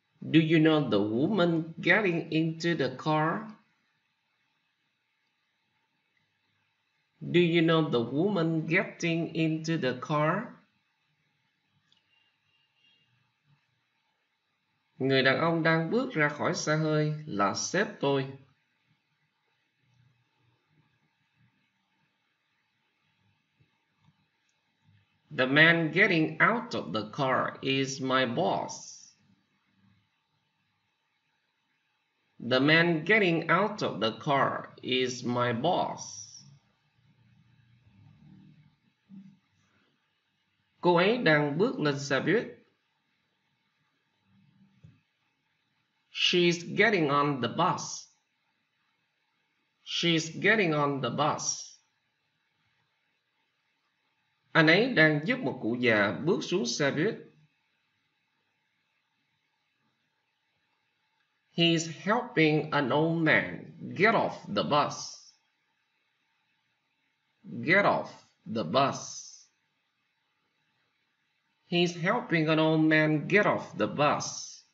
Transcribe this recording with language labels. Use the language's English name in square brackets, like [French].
[English] Do you know the woman getting into the car? Do you know the woman getting into the car? [Vietnamese] Người đàn ông đang bước ra khỏi xe hơi là sếp tôi. [English] The man getting out of the car is my boss. The man getting out of the car is my boss. [Vietnamese] Cô ấy đang bước lên xe buýt. [English] She's getting on the bus. She's getting on the bus. [Vietnamese] Anh ấy đang giúp một cụ già bước xuống xe buýt. [English] He's helping an old man get off the bus. Get off the bus. He's helping an old man get off the bus.